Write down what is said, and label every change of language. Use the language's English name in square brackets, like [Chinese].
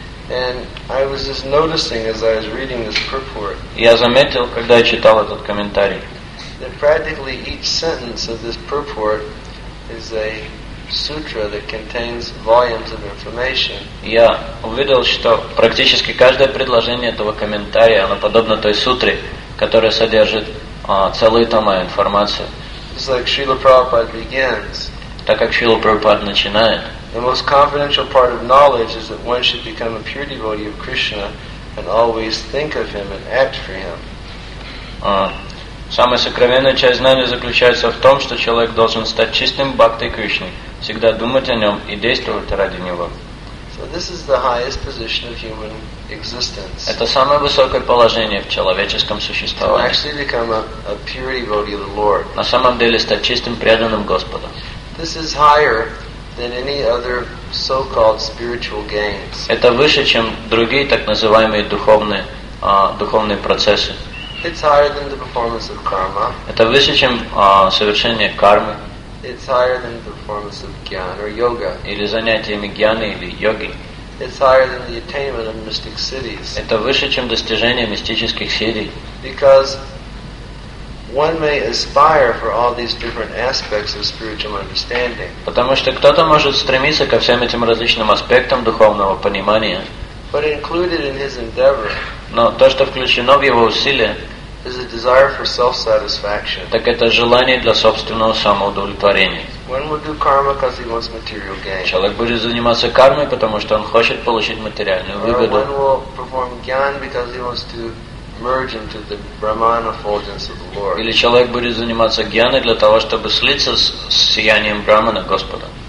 [English] And I was just noticing as I was reading this purport. [Russian] Я заметил, когда я читал этот комментарий, [English] that practically each sentence of this purport is a sutra that contains volumes of information. [Russian] Я увидел, что практически каждое предложение этого комментария, оно подобно той сутре, которая содержит целые тома информации. [English] It's like Srila Prabhupada begins. [Russian] Так как Шрила Прабхупада начинает. [English] The most confidential part of knowledge is that one should become a pure devotee of Krishna and always think of him and act for him. [Russian] Самая сокровенная часть знания заключается в том, что человек должен стать чистым бхактой Кришны, всегда думать о нем и действовать ради него. [English] So this is the highest position of human existence. [Russian] Это самое высокое положение в человеческом существовании. [English] To actually become a pure devotee of the Lord. [Russian] На самом деле стать чистым преданным Господа. [English] This is higher than any other so-called spiritual gains. [Russian] Это выше, чем другие так называемые духовные процессы. [English] It's higher than the performance of karma. [Russian] Это выше, чем совершение кармы. [English] It's higher than the performance of jnana or yoga. [Russian] Или занятиями jnana или йоги. [English] It's higher than the attainment of mystic cities. [Russian] Это выше, чем достижение мистических сидий. [English] Because one may aspire for all these different aspects of spiritual understanding. [Russian] Потому что кто-то может стремиться ко всем этим различным аспектам духовного понимания. [English] But included in his endeavor, [Russian] но то, что включено в его усилия, [English] is a desire for self-satisfaction. [Russian] Так это желание для собственного самоудовлетворения. [English] One will do karma because he wants material gain. [Russian] Человек будет заниматься кармой, потому что он хочет получить материальную выгоду. [English] One will perform gyan because he wants to merge into the Brahman effulgence of the Lord. [Russian] Или человек будет заниматься гьяной для того, чтобы слиться с сиянием Брахмана Господа.